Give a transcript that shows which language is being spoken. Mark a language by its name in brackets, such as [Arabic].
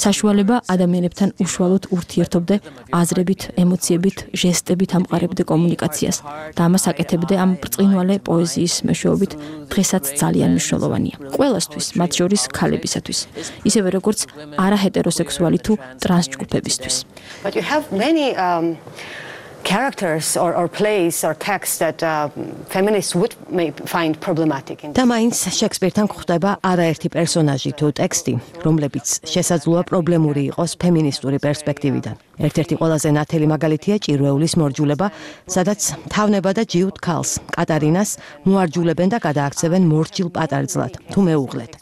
[Georgian] საშუალება ადამიანებთან უშუალოდ ურთიერთობდე, აზრებით, ემოციებით, ჟესტებით ამყარებდე კომუნიკაციას და ამას აკეთებდე ამ ბრწყინვალე პოეზიის მეშვეობით, დღესაც ძალიან მნიშვნელოვანია. ყველასთვის, მათ შორის ქალებისათვის, ისევე როგორც არაჰეტეროსექსუალი თუ ტრანსჯგუფებისთვის. [English] But you have many characters or plays or texts that feminists would may find problematic in. [Georgian] Tamains Shakespeare-tan ხვდება არაერთი პერსონაჟი თუ ტექსტი, რომლებიც შესაძლოა პრობლემური იყოს ფემინისტური პერსპექტივიდან. ერთ-ერთი ყველაზე ნათელი მაგალითია ჭირვეულის მორჯულება, სადაც თავნება და ჯიუდ ქალს, კატარინას, მოარჯულებენ და გადააქცევენ მორჯილ პატარძლად, თუ მეუღლედ.